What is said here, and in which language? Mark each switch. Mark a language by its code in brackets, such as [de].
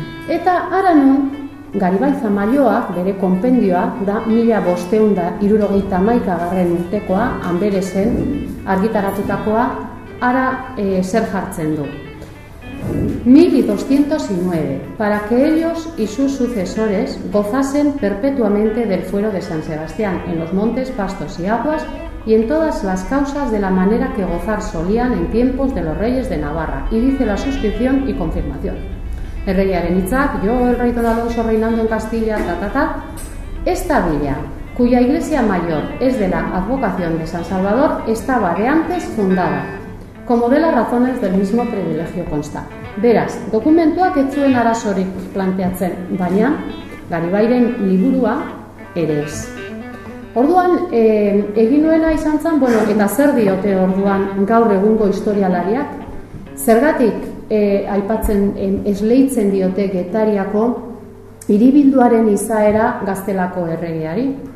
[eu] Eta ara nun, Garibay Zamalloak, bere konpendioa, da 1561 urtekoa, Anberesen, argitaratutakoa, ara zer jartzen du. [es] 1209, para que ellos y sus sucesores gozasen perpetuamente del fuero de San Sebastián en los montes, pastos y aguas y en todas las causas de la manera que gozar solían en tiempos de los reyes de Navarra. Y dice la suscripción y confirmación. [eu] Erregiaren hitzak, [es] yo el rey don Alonso reinando en Castilla, ta ta ta. Esta villa, cuya iglesia mayor es de la advocación de San Salvador, estaba de antes fundada, como de las razones del mismo privilegio consta. [eu] Beraz, dokumentuak ez zuen arazorik planteatzen, baina Garibayren liburua ere ez. Orduan, egin nuena izan zen, bueno, eta zer diote orduan gaur egungo historialariak, zergatik aipatzen esleitzen diote Getariako hiribilduaren izaera Gaztelako erregeari.